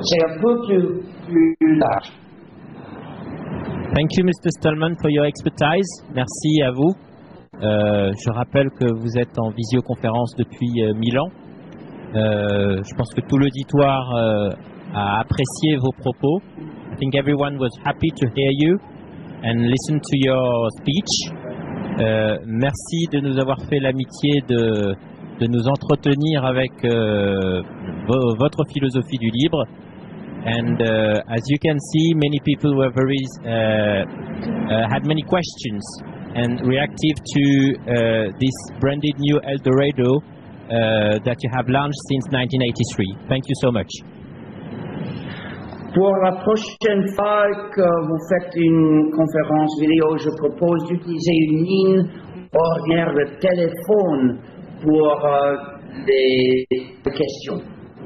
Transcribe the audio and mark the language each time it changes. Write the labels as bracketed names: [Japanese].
[French] C'est un peu plus large. [English] Thank you, Mr. Stallman, for your expertise. [French] Merci à vous. Je rappelle que vous êtes en visioconférence depuis Milan. Je pense que tout l'auditoire a apprécié vos propos. [English] I think everyone was happy to hear you and listen to your speech. [French] Merci de nous avoir fait l'amitié de nous entretenir avec votre philosophie du libre. [English] And as you can see, many people were very had many questions and reactive to this branded new Eldorado that you have launched since 1983. Thank you so much. [French] Pour la prochaine fois que vous faites une conférence vidéo, je propose d'utiliser une ligne ordinaire de téléphone pour des questions.